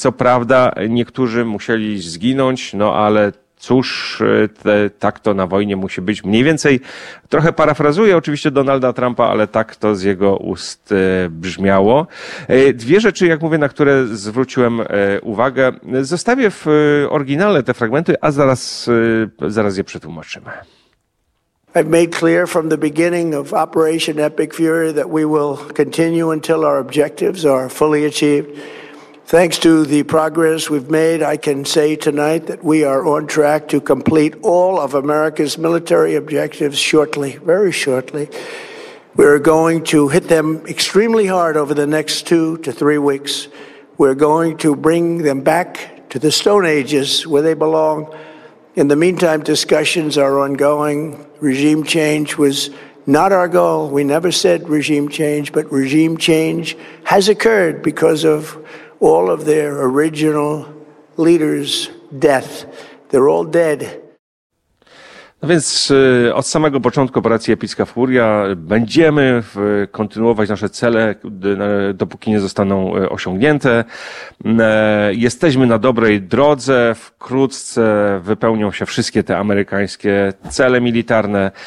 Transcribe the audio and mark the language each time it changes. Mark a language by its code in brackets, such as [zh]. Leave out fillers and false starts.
[pl] Co prawda niektórzy musieli zginąć, no ale cóż, tak to na wojnie musi być. Mniej więcej trochę parafrazuję oczywiście Donalda Trumpa, ale tak to z jego ust brzmiało. Dwie rzeczy, jak mówię, na które zwróciłem uwagę. Zostawię w oryginale te fragmenty, a zaraz je przetłumaczymy. [en] I've made clear from the beginning of Operation Epic Fury that we will continue until our objectives are fully achieved. Thanks to the progress we've made, I can say tonight that we are on track to complete all of America's military objectives shortly, very shortly. We're going to hit them extremely hard over the next 2 to 3 weeks. We're going to bring them back to the Stone Ages where they belong. In the meantime, discussions are ongoing. Regime change was not our goal. We never said regime change, but regime change has occurred because of all of their original leaders' death. They're all dead. [pl] No więc od samego początku operacji Epicka Furia będziemy kontynuować nasze cele, dopóki nie zostaną osiągnięte. Jesteśmy na dobrej drodze, wkrótce wypełnią się wszystkie te amerykańskie cele militarne.